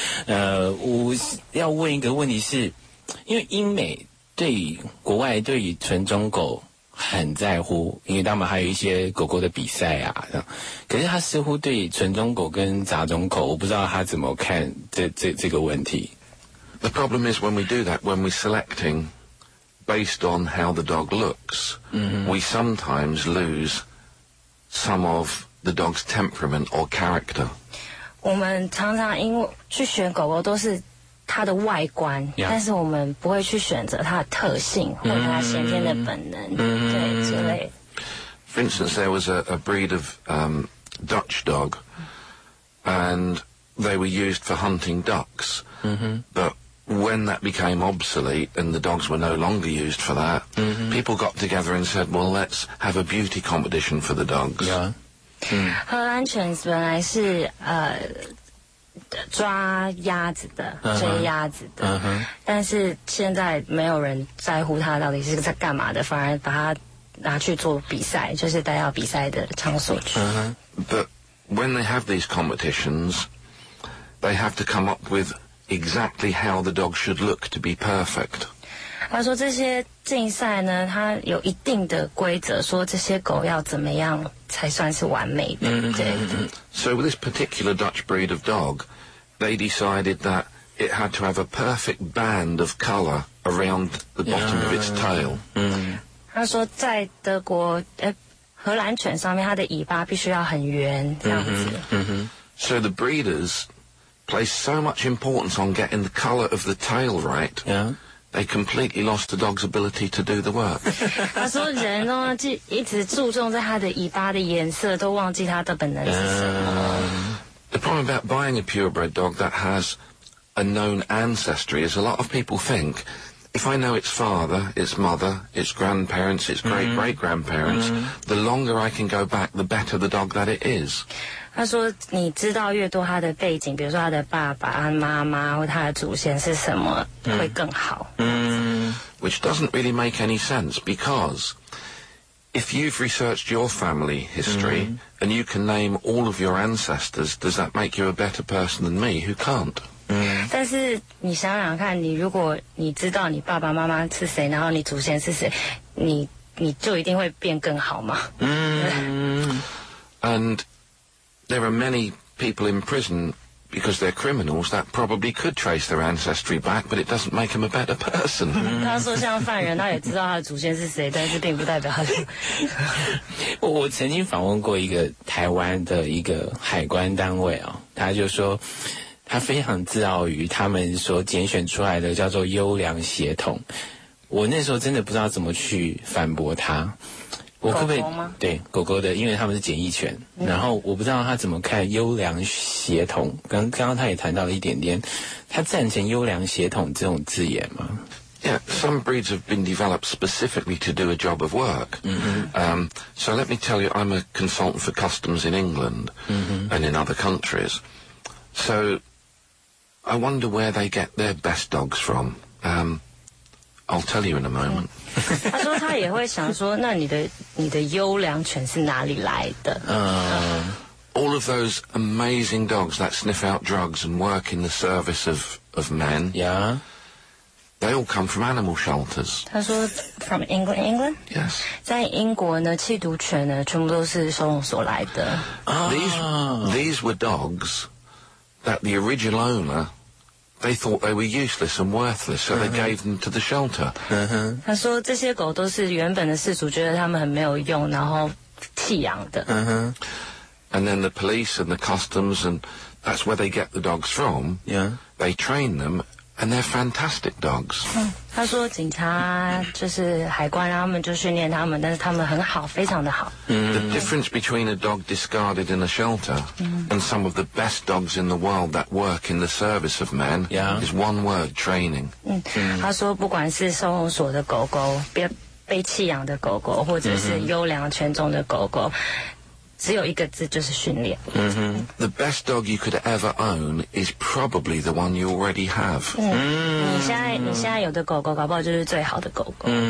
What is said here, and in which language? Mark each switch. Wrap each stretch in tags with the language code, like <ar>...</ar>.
<zh>我要问一个问题是，因为英美对于国外对于纯种狗很在乎，因为他们还有一些狗狗的比赛啊，可是他似乎对纯种狗跟杂种狗，我不知道他怎么看这个问题。</zh> <en>The problem is when we do that, when we're selecting based on how the dog looks,、mm-hmm. we sometimes lose. Some of the dog's temperament or character.</en> <zh>我们常常因为去选狗狗都是它的外观、yeah. 但是我们不会去选择它的特性或者它先天的本能、mm-hmm. 对之类。</zh> <en>For instance, there was a breed of、Dutch dog and they were used for hunting ducks、mm-hmm. but when that became obsolete and the dogs were no longer used for that、mm-hmm. people got together and said well let's have a beauty competition for the dogs</en> <zh>荷兰犬本来是抓鸭子的追鸭子的、uh-huh. 但是现在没有人在乎它到底是在干嘛的反而把它拿去做比赛就是带到比赛的场所去、uh-huh.</zh> <en>but when they have these competitions they have to come up withExactly how the dog should look to be perfect.</en> <zh>他说这些竞赛呢，他有一定的规则，说这些狗要怎么样才算是完美的。 Mm-hmm. 对。</zh> <en>So with this particular Dutch breed of dog, they decided that it had to have a perfect band of color around the bottom、yeah. of its tail. 嗯、</en> <zh>mm-hmm.。他说在德国，荷兰犬上面，它的尾巴必须要很圆，这样子。嗯、mm-hmm.</zh> <en>So the breeders. Place so much importance on getting the color of the tail right, yeah. they completely lost the dog's ability to do the work.</en> <zh>他说人呢，就一直注重在他的尾巴的颜色，都忘记他的本能是什么。</zh> <en>The problem about buying a purebred dog that has a known ancestry is a lot of people think, if I know its father, its mother, its grandparents, its great-great-grandparents,、mm-hmm. the longer I can go back, the better the dog that it is.</en> <zh>他说你知道越多他的背景比如说他的爸爸他妈妈或他的祖先是什么、mm. 会更好、mm.</zh> <en>Which doesn't really make any sense because if you've researched your family history、mm. and you can name all of your ancestors does that make you a better person than me who can't、 mm.</en> <zh>但是你想想看你如果你知道你爸爸妈妈是谁然后你祖先是谁你就一定会变更好吗、 mm.</zh> <en>andThere are many people in prison because they're criminals that probably could trace their ancestry back, but it doesn't make them a better person.</en> <zh>他说像犯人，他也知道他的祖先是谁，但是并不代表他是。我曾经访问过一个台湾的一个海关单位哦，他就说他非常自傲于他们所拣选出来的叫做优良血统。我那时候真的不知道怎么去反驳他。我可不可以狗狗吗对狗狗的因为他们是检疫犬、嗯、然后我不知道他怎么看优良血统刚刚他也谈到了一点点他赞成优良血统这种字眼吗</zh> <en>Yeah, some breeds have been developed specifically to do a job of work. Mm-hmm. So let me tell you, I'm a consultant for customs in England mm-hmm. and in other countries. So I wonder where they get their best dogs from. I'll tell you in a moment.</en> <zh>他说他也会想说，那你的优良犬是哪里来的？</zh> <en>All of those amazing dogs that sniff out drugs and work in the service of men. Yeah. They all come from animal shelters.</en> <zh>他说</zh> <en>from England, England? Yes.</en> <zh>在英国呢，缉毒犬呢，全部都是收容所来的。</zh> <en>These were dogs that the original owner... They thought they were useless and worthless, so they gave them to the shelter. Uh-huh.</en> <zh>他说这些狗都是原本的饲主觉得他们很没有用，然后弃养的。 Uh-huh.</zh> <en>And then the police and the customs, and that's where they get the dogs from. Yeah. They train them, and they're fantastic dogs.</en> <zh>他说警察就是海关，他们就训练他们，但是他们很好，非常的好。 Mm.</zh> <en>The difference between a dog discarded in a shelter and some of the best dogs in the world that work in the service of men is one word, training.</en> <zh>他说不管是收容所的狗狗，被弃养的狗狗，或者是优良犬种的狗狗，只有一个字就是训练。 Mm-hmm.</zh> <en>The best dog you could ever own is probably the one you already have.</en> <zh>你现在有的狗狗搞不好就是最好的狗狗。</zh>